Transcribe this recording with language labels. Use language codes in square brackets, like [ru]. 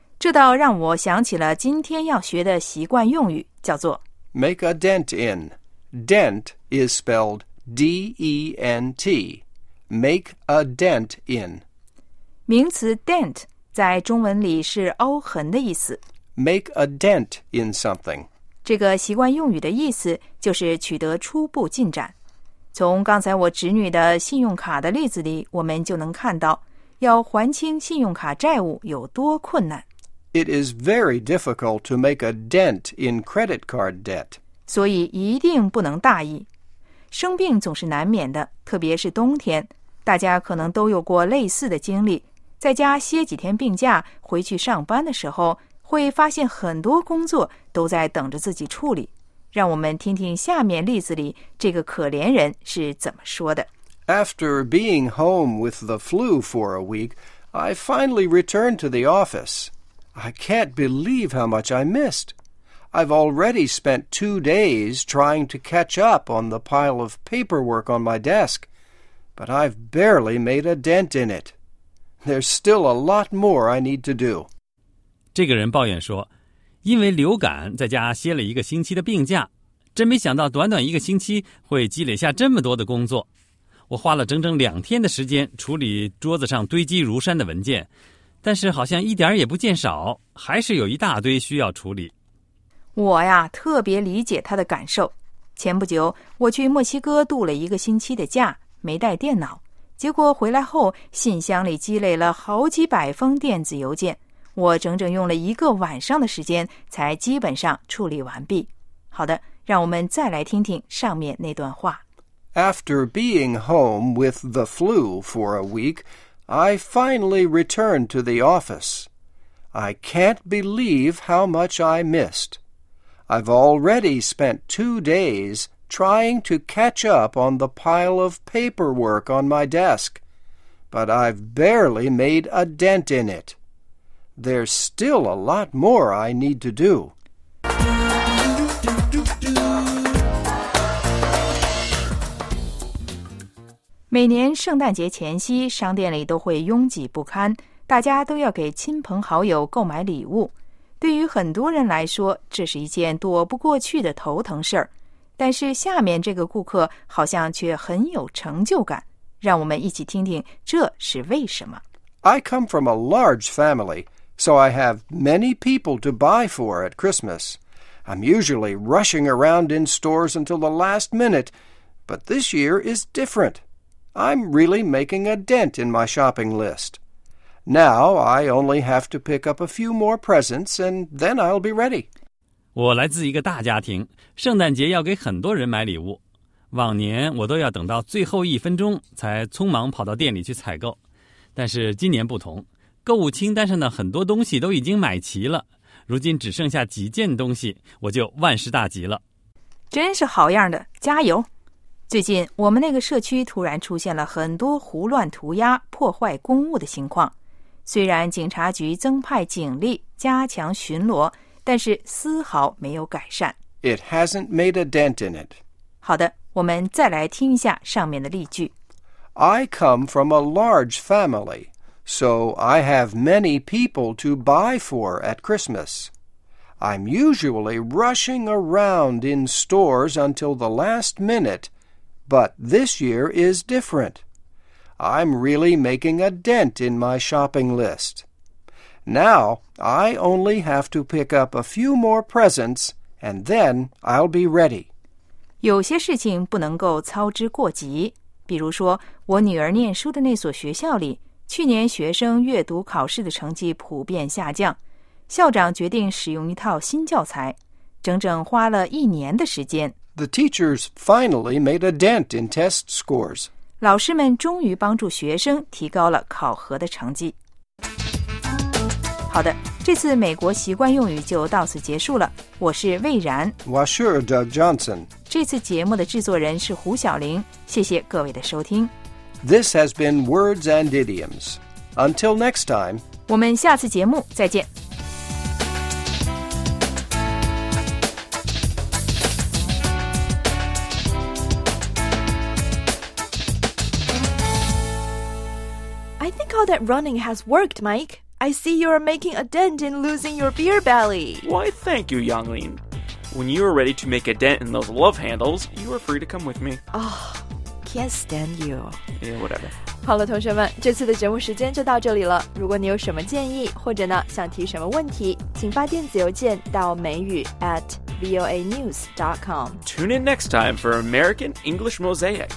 [zh] 这倒让我想起了今天要学的习惯用语，叫做 [en] make a dent in. Dent is spelled D-E-N-T. Make a dent in. [zh] 名词 dent 在中文里是凹痕的意思。 [en] Make a dent in something. [zh] 这个习惯用语的意思就是取得初步进展。从刚才我侄女的信用卡的例子里，我们就能看到，要还清信用卡债务有多困难。 [en] It is very difficult to make a dent in credit card debt. [zh] 所以一定不能大意。生病总是难免的，特别是冬天，大家可能都有过类似的经历，在家歇几天病假，回去上班的时候会发现很多工作都在等着自己处理。让我们听听下面例子里这个可怜人是怎么说的。 [en] After being home with the flu for a week, I finally returned to the office. I can't believe how much I missed. I've already spent 2 days trying to catch up on the pile of paperwork on my desk, but I've barely made a dent in it. There's still a lot more I need to do. [zh] 这个人抱怨说，因为流感在家歇了一个星期的病假，真没想到短短一个星期会积累下这么多的工作。我花了整整2天的时间处理桌子上堆积如山的文件，但是好像一点也不见少，还是有一大堆需要处理。我呀，特别理解他的感受。前不久，我去墨西哥度了一个星期的假，没带电脑。结果回来后，信箱里积累了好几百封电子邮件，我整整用了一个晚上的时间才基本上处理完毕。好的，让我们再来听听上面那段话。 [en] After being home with the flu for a week, I finally returned to the office. I can't believe how much I missed. I've already spent 2 days trying to catch up on the pile of paperwork on my desk, but I've barely made a dent in it. There's still a lot more I need to do. [zh] 每年圣诞节前夕，商店里都会拥挤不堪，大家都要给亲朋好友购买礼物。对于很多人来说，这是一件躲不过去的头疼事儿。但是下面这个顾客好像却很有成就感，让我们一起听听这是为什么。 [en] I come from a large family, so I have many people to buy for at Christmas. I'm usually rushing around in stores until the last minute, but this year is different. I'm really making a dent in my shopping list. Now I only have to pick up a few more presents and then I'll be ready. [zh] 我来自一个大家庭，圣诞节要给很多人买礼物。往年我都要等到最后一分钟才匆忙跑到店里去采购，但是今年不同，购物清单上的很多东西都已经买齐了，如今只剩下几件东西，我就万事大吉了。真是好样的，加油！最近我们那个社区突然出现了很多胡乱涂鸦、破坏公物的情况，虽然警察局增派警力，加强巡逻，但是丝毫没有改善。 [en] It hasn't made a dent in it. [zh] 好的，我们再来听一下上面的例句。 [en] I come from a large family, so I have many people to buy for at Christmas. I'm usually rushing around in stores until the last minute, but this year is different. I'm really making a dent in my shopping list. Now, I only have to pick up a few more presents, and then I'll be ready. [zh] 有些事情不能够操之过急。比如说，我女儿念书的那所学校里，去年学生阅读考试的成绩普遍下降。校长决定使用一套新教材，整整花了一年的时间。 [en] The teachers finally made a dent in test scores. [zh] 老师们终于帮助学生提高了考核的成绩。好的，这次美国习惯用语就到此结束了。我是魏然。 [en] Washer Doug Johnson。 [zh] 这次节目的制作人是胡晓玲。谢谢各位的收听。 [en] This has been Words and Idioms. Until next time. [zh] 我们下次节目再见。 [en] I think all that running has worked, Mike. I see you are making a dent in losing your beer belly. Why, thank you, Yanglin. When you are ready to make a dent in those love handles, you are free to come with me. Oh, can't stand you. Yeah, whatever. [zh] 好了，同学们，这次的节目时间就到这里了。如果你有什么建议，或者呢想提什么问题，请发电子邮件到美语@voanews.com. [en] Tune in next time for American English Mosaic.